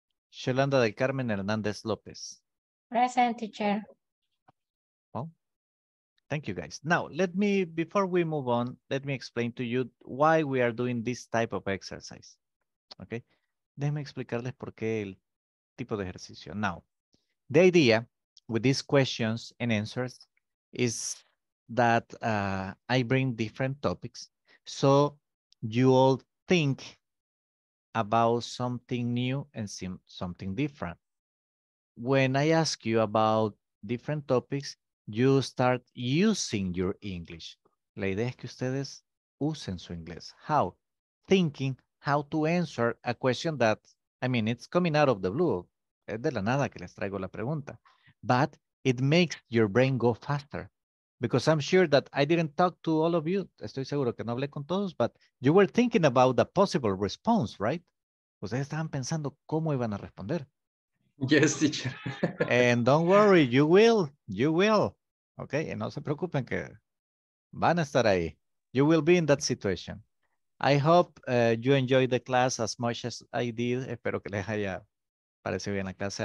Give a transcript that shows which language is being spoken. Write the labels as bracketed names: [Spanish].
[English] Yolanda del Carmen Hernández López. Present, teacher. Well, thank you, guys. Now, let me, before we move on, let me explain to you why we are doing this type of exercise. Okay? [Spanish] Déjenme explicarles por qué el tipo de ejercicio. [English] Now, the idea with these questions and answers is that I bring different topics so you all think about something new and something different. When I ask you about different topics, you start using your English. [Spanish] La idea es que ustedes usen su inglés. [English] How? Thinking how to answer a question that, I mean, it's coming out of the blue. [Spanish] Es de la nada que les traigo la pregunta. [English] But it makes your brain go faster. Because I'm sure that I didn't talk to all of you. [Spanish] Estoy seguro que no hablé con todos, [English] but you were thinking about the possible response, right? [Spanish] Ustedes estaban pensando cómo iban a responder. [English] Yes, teacher. And don't worry, you will. You will. [Spanish] Okay, y no se preocupen que van a estar ahí. [English] You will be in that situation. I hope you enjoyed the class as much as I did. [Spanish] Espero que les haya parecido bien la clase.